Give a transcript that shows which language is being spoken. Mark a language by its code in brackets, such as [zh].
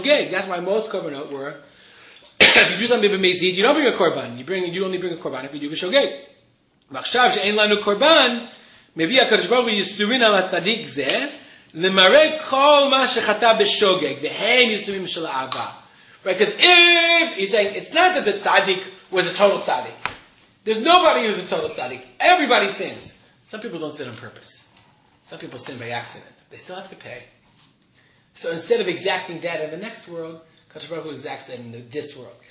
[en] That's why most korbanot were, if you do something with a mezid, you don't bring a korban. You only bring a korban if you do a shogeg. [he] V'achshav she'ein lanu korban, מביא הקדוש ברוך הוא יסורין על הצדיק זה, למראה כל מה שחטא בשוגג, והם יסורים של אהבה. [en] Because if, he's saying, it's not that the tzaddik was a total tzaddik. There's nobody who's a total tzaddik. Everybody sins. Some people don't sin on purpose. Some people sin by accident. They still have to pay. So instead of exacting that in the next world, Kadosh Baruch Hu exacts that in this world.